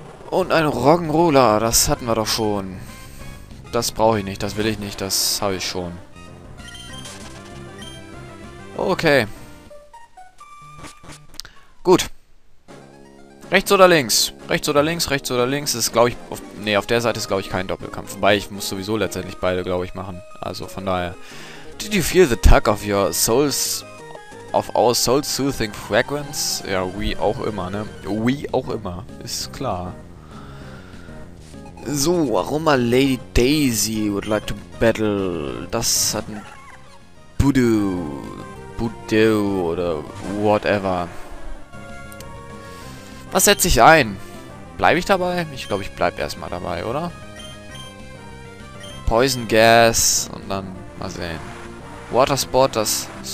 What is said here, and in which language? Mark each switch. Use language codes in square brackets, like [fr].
[de] Und ein Roggenroller, das hatten wir doch schon. Das brauche ich nicht, das will ich nicht, das habe ich schon. Okay. Gut. Rechts oder links, rechts oder links ist, glaube ich, nee, auf der Seite ist, glaube ich, kein Doppelkampf. Wobei ich muss sowieso letztendlich beide, glaube ich, machen. Also von daher. [en] Did you feel the tug of your souls, of our soul soothing fragrance? [de] Ja, wie auch immer, ne? Wie auch immer, ist klar. [en] So, Aroma Lady Daisy would like to battle. [de] Das hat ein Budu oder whatever. Was setze ich ein? Bleibe ich dabei? Ich glaube, ich bleibe erstmal dabei, oder? Poison Gas und dann mal sehen. Water Sport, das.